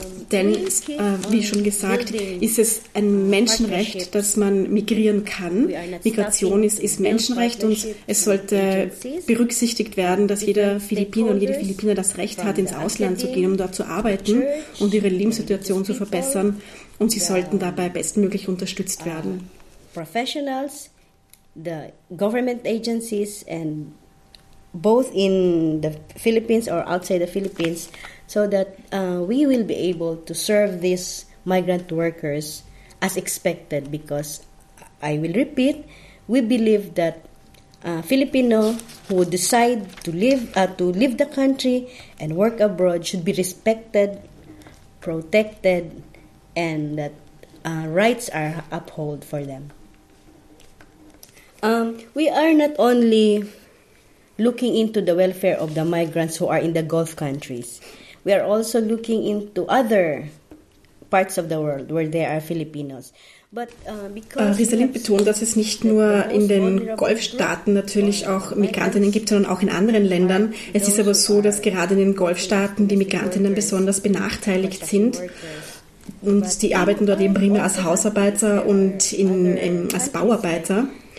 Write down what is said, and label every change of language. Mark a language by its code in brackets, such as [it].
[de] Denn, wie schon gesagt, ist es ein Menschenrecht, dass man migrieren kann. Migration ist Menschenrecht und es sollte berücksichtigt werden, dass jeder Philippiner und jede Philippiner das Recht hat, ins Ausland zu gehen, um dort zu arbeiten und ihre Lebenssituation zu verbessern. Und sie sollten dabei bestmöglich unterstützt werden. [en] Professionals, the government agencies and both in the Philippines or outside the Philippines, so that we will be able to serve these migrant workers as expected, because I will repeat, we believe that Filipino who decide to leave the country and work abroad should be respected, protected, and that rights are upheld for them. We are not only looking into the welfare of the migrants who are in the Gulf countries. We are also looking into other parts of the world where there are Filipinos. [de] Risalind betont, dass es nicht nur in den Golfstaaten natürlich auch Migrantinnen gibt, sondern auch in anderen Ländern. Es ist aber so, dass gerade in den Golfstaaten die Migrantinnen besonders benachteiligt sind. Und die arbeiten dort eben primär als Hausarbeiter und als Bauarbeiter.